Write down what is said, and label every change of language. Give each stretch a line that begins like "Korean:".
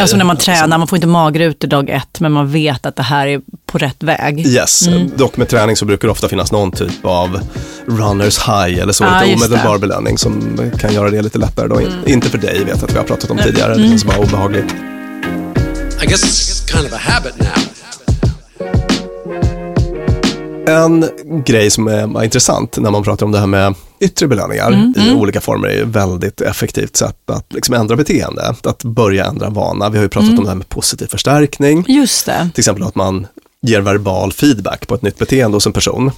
Swedish: Alltså när man tränar, man får inte mager ut i dag 1, men man vet att det här är på rätt väg. Yes, dock med träning så brukar det ofta finnas någon typ av runner's high eller så, lite omedelbar belöning som kan göra det lite lättare då. Inte för dig, vet att vi har pratat om tidigare, det känns bara obehagligt.
English: I guess it's kind of a habit now.
Swedish: En grej som är intressant när man pratar om det här med yttre belöningar i olika former är ju väldigt effektivt sätt att liksom ändra beteende, att börja ändra vana. Vi har ju pratat om det här med positiv förstärkning. Just det. Till exempel att man ger verbal feedback på ett nytt beteende hos en person.